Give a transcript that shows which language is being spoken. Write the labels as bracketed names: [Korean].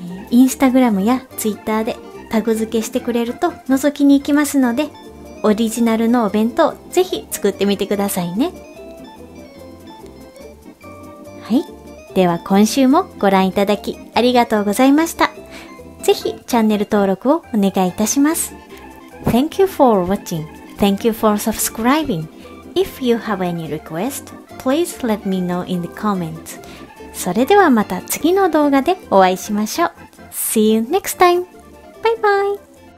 [Japanese] インスタグラムやツイッターでタグ付けしてくれると覗きに行きますので、オリジナルのお弁当ぜひ作ってみてくださいね。はい、では今週もご覧いただきありがとうございました。ぜひチャンネル登録をお願いいたします。 [English] Thank you for watching. Thank you for subscribing. If you have any request, please let me know in the comments. [Japanese] それではまた次の動画でお会いしましょう。 [English] See you next time! [Japanese] バイバイ!